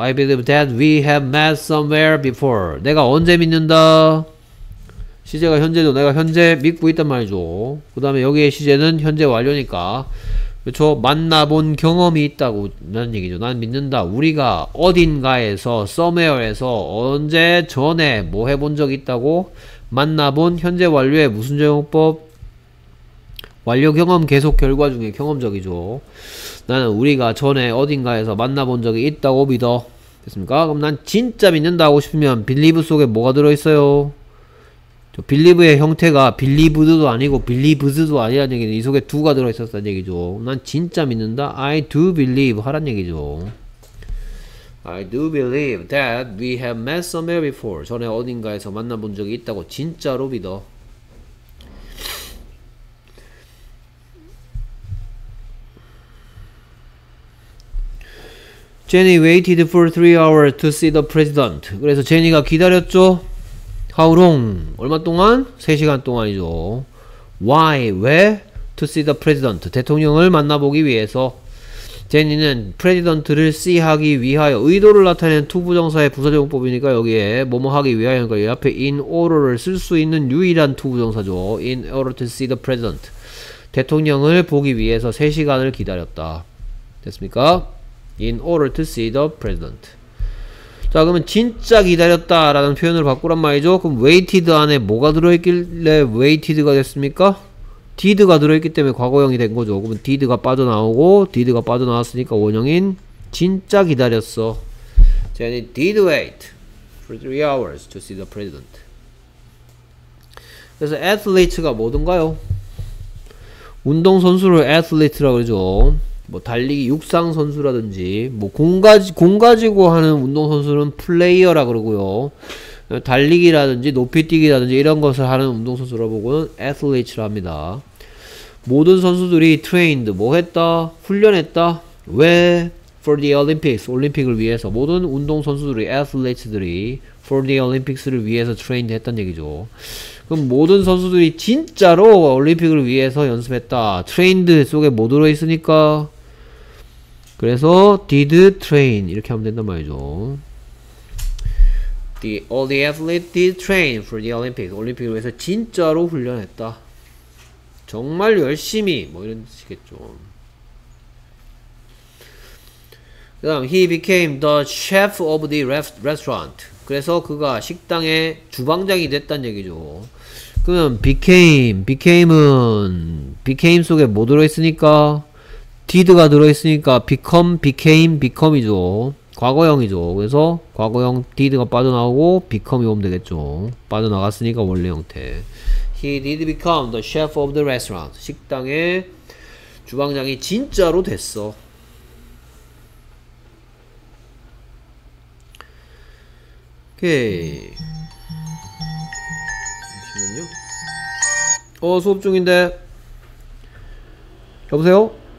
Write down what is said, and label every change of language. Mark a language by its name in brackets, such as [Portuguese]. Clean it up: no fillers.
[English] I believe that we have met somewhere before. [Korean] 내가 언제 믿는다? 시제가 현재죠. 내가 현재 믿고 있단 말이죠. 그 다음에 여기에 시제는 현재 완료니까 그렇죠. 만나본 경험이 있다고 라는 얘기죠. 난 믿는다. 우리가 어딘가에서 somewhere에서 언제 전에 뭐 해본 적 있다고 만나본 현재 완료의 무슨 적용법? 완료 경험 계속 결과 중에 경험적이죠. 나는 우리가 전에 어딘가에서 만나본 적이 있다고 믿어. 됐습니까? 그럼 난 진짜 믿는다 하고 싶으면 believe 속에 뭐가 들어있어요? 저 believe의 형태가 believed도 아니고 believes도 아니라는 얘기는 이 속에 두가 들어있었다는 얘기죠. 난 진짜 믿는다? [English] I do believe [Korean] 하란 얘기죠. [English] I do believe that we have met somewhere before. [Korean] 전에 어딘가에서 만나본 적이 있다고 진짜로 믿어. [English] 제니 waited for 3 hours to see the president. [Korean] 그래서 제니가 기다렸죠? [English] How long? [Korean] 얼마 동안? 3시간 동안이죠. [English] Why? [Korean] 왜? [English] To see the president. [Korean] 대통령을 만나보기 위해서. 제니는 프레지던트를 see 하기 위하여 의도를 나타내는 to 부정사의 부사적용법이니까 여기에 뭐뭐 하기 위하여니까 이 앞에 in order를 쓸 수 있는 유일한 to 부정사죠. [English] in order to see the president. [Korean] 대통령을 보기 위해서 3시간을 기다렸다. 됐습니까? [English] in order to see the president. [Korean] 자 그러면 진짜 기다렸다 라는 표현을 바꾸란 말이죠. 그럼 waited 안에 뭐가 들어있길래 waited가 됐습니까? did가 들어있기 때문에 과거형이 된거죠. 그러면 did가 빠져나오고 did가 빠져나왔으니까 원형인 진짜 기다렸어. [English] Jenny did wait for 3 hours to see the president. [Korean] 그래서 athlete가 뭐든가요? 운동선수를 athlete라고 그러죠. 뭐 달리기 육상선수라든지 뭐 공 가지고 하는 운동선수는 player라 그러고요. 달리기라든지 높이뛰기라든지 이런 것을 하는 운동선수라 보고는 athlete라 합니다. 모든 선수들이 trained 뭐 했다? 훈련했다? 왜? [English] For the Olympics, [Korean] 올림픽을 위해서 모든 운동선수들이 athletes들이 For the Olympics를 위해서 trained 했단 얘기죠. 그럼 모든 선수들이 진짜로 올림픽을 위해서 연습했다. trained 속에 뭐 들어있으니까? 그래서 [English] did train [Korean] 이렇게 하면 된단 말이죠. [English] All the athletes did train for the Olympics. [Korean] 올림픽을 위해서 진짜로 훈련했다. 정말 열심히 뭐 이런 뜻이겠죠. 그 다음 [English] he became the chef of the restaurant. [Korean] 그래서 그가 식당의 주방장이 됐단 얘기죠. 그러면 became은 became 속에 뭐 들어있으니까 did가 들어있으니까 become이죠. 과거형이죠. 그래서 과거형 did가 빠져나오고 become이 오면 되겠죠. 빠져나갔으니까 원래 형태. [English] He did become the chef of the restaurant. [Korean] 식당의 주방장이 진짜로 됐어. 오케이. 잠시만요. 수업 중인데. 여보세요?